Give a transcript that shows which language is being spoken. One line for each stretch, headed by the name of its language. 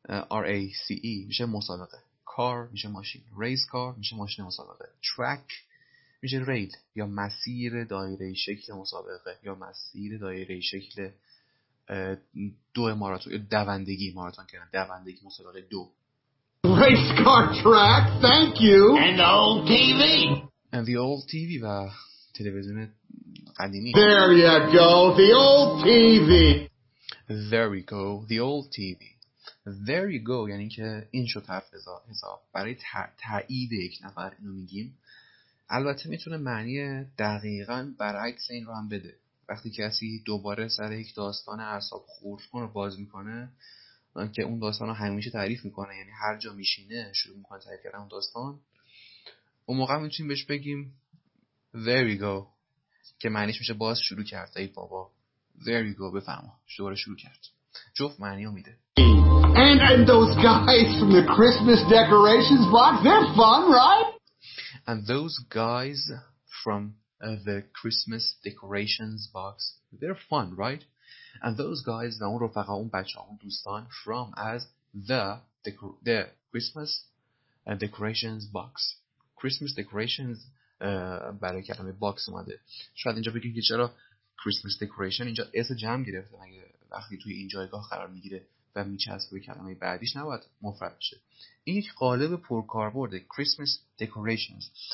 Persian: R-A-C-E میشه مسابقه. Car میشه ماشین. Race car میشه ماشین مسابقه. Track میشه ریل یا مسیر دایره شکل مسابقه یا مسیر دایره شکل دو ماراتون یا دوندگی ماراتون کردن دوندگی مسابقه دو.
English: Race car track, thank you. And the old TV. And the old TV
Persian: و تلویزیون قدیمی.
English: There you go, the old TV. There we go, the old TV. There you go,
Persian: یعنی که این شد حرف حساب برای تایید یک نفر اینو میگیم. البته میتونه معنی دقیقاً برعکس این رو هم بده. وقتی کسی دوباره سر یک داستان اعصاب خردکن رو باز میکنه که اون داستان رو همیشه تعریف میکنه، یعنی هر جا میشینه شروع میکنه تعریف کردن اون داستان، اون موقع میتونیم بهش بگیم
English: There you go
Persian: که معنیش میشه باز شروع کرد. ای بابا
English: There you go،
Persian: بفهم دوباره شروع کرد. جفت معنی رو میده.
English: And those guys from the Christmas decorations box, they're fun, right? And those guys from the Christmas decorations box, they're fun, right? And those guys,
Persian: اون رفقا، اون بچه، اون دوستان
English: from as the Christmas decorations box.
Persian: Christmas decorations برای کلمه box اومده. شاید اینجا بگیم که چرا Christmas decoration اینجا اس جمع گرفته، مگه وقتی توی این جایگاه قرار میگیره و میچسبه به کلمه بعدیش نباید مفرد بشه. این یک قالب پرکاربرده. Christmas decorations.